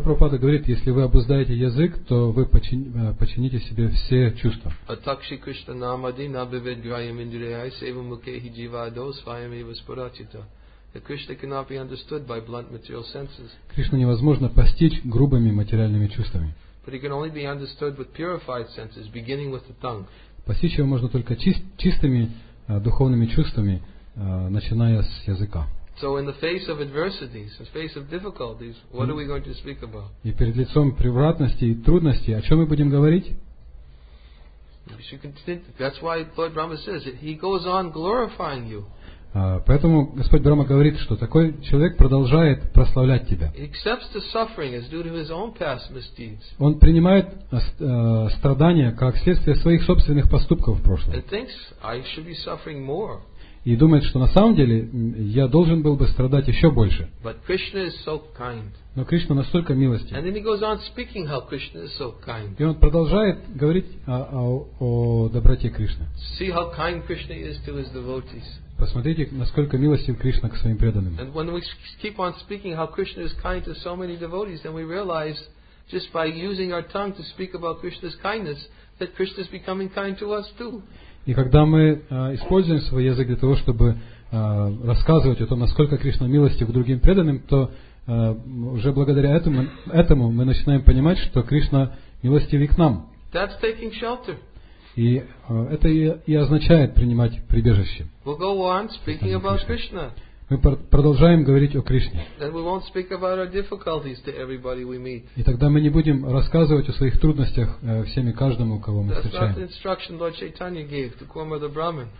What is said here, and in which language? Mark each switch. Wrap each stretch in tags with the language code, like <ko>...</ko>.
<ru>Прабхупада говорит, если вы обуздаете язык, то вы почините себе все чувства. Атакши Кришна намади набивидграям индриай сева мукехи дживадо сваями васпурачита.</ru> <en>Krishna cannot be understood by blunt material senses.</en> <ru>Кришну невозможно постичь грубыми материальными чувствами.</ru> <en>But he can only be understood with purified senses, beginning with the tongue.</en> <ru>Постичь его можно только чистыми духовными чувствами, начиная с языка.</ru> <en>So in the face of adversities, in the face of difficulties, what are we going to speak about?</en> <ru>И перед лицом превратности и трудностей, о чем мы будем говорить?</ru> <en>That's why Lord Brahma says it. He goes on glorifying you.</en> <ru>Поэтому Господь Брама говорит, что такой человек продолжает прославлять тебя.</ru> <en>He accepts the suffering as due to his own past misdeeds.</en> <ru>Он принимает страдания как следствие своих собственных поступков в прошлом.</ru> <en>And thinks, I should be suffering more.</en> <ru>И думает, что на самом деле я должен был бы страдать еще больше.</ru> <en>But Krishna is so kind.</en> <ru>Но Кришна настолько милостив.</ru> <en>And then he goes on speaking how Krishna is so kind.</en> <ru>И он продолжает говорить о доброте Кришны.</ru> <en>See how kind Krishna is to his devotees.</en> <ru>Посмотрите, насколько милостив Кришна к своим преданным.</ru> <en>And when we keep on speaking how Krishna is kind to so many devotees, then we realize just by using our tongue to speak about Krishna's kindness that Krishna is becoming kind to us too.</en> <ru>И когда мы используем свой язык для того, чтобы рассказывать о том, насколько Кришна милостив к другим преданным, то уже благодаря этому мы начинаем понимать, что Кришна милостив и к нам.</ru> <en>That's taking shelter.</en> <ru>И это и означает принимать прибежище.</ru> <en>We'll go on speaking about Krishna.</en> <ru>Мы продолжаем говорить о Кришне.</ru> <en>And we won't speak about our difficulties to everybody we meet.</en> <ru>И тогда мы не будем рассказывать о своих трудностях всем и каждому, кого мы встречаем.</ru> <en>That's not the instruction Lord Chaitanya gave to Kumar the Brahmin.</en>